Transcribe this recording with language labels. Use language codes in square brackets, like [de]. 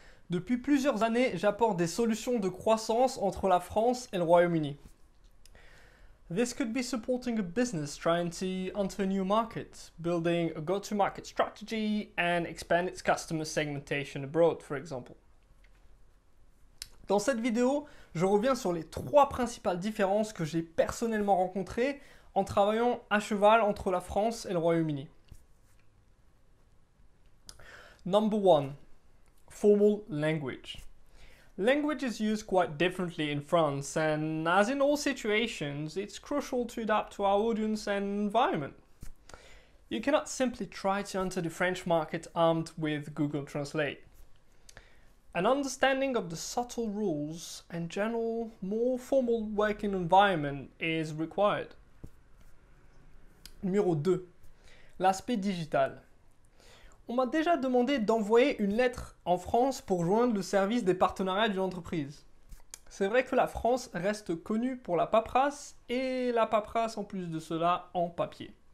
[fr] Depuis plusieurs années, j'apporte des solutions de croissance entre la France et le Royaume-Uni. [en] This could be supporting a business trying to enter a new market, building a go-to-market strategy and expand its customer segmentation abroad, for example. [fr] Dans cette vidéo, je reviens sur les trois principales différences que j'ai personnellement rencontrées en travaillant à cheval entre la France et le Royaume-Uni. [en] Number one, formal language. Language is used quite differently in France, and as in all situations, it's crucial to adapt to our audience and environment. You cannot simply try to enter the French market armed with Google Translate. An understanding of the subtle rules and general, more formal working environment is required. [fr] Numéro 2. L'aspect digital. On m'a déjà demandé d'envoyer une lettre en France pour joindre le service des partenariats d'une entreprise. C'est vrai que la France reste connue pour la paperasse et la paperasse en plus de cela en papier.